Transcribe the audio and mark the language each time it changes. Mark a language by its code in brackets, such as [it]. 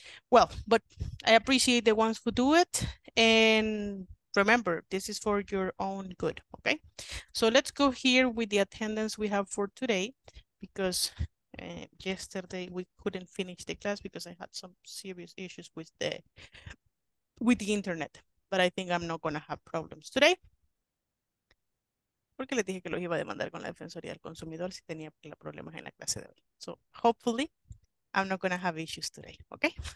[en] Well, but I appreciate the ones who do it. And remember, this is for your own good, okay? So let's go here with the attendance we have for today, because yesterday we couldn't finish the class because I had some serious issues with the internet. But I think I'm not going to have problems today. [es] Porque le dije que los iba a demandar con la Defensoría del Consumidor si tenía problemas en la clase de hoy. [en] So, hopefully, I'm not going to have issues today, okay?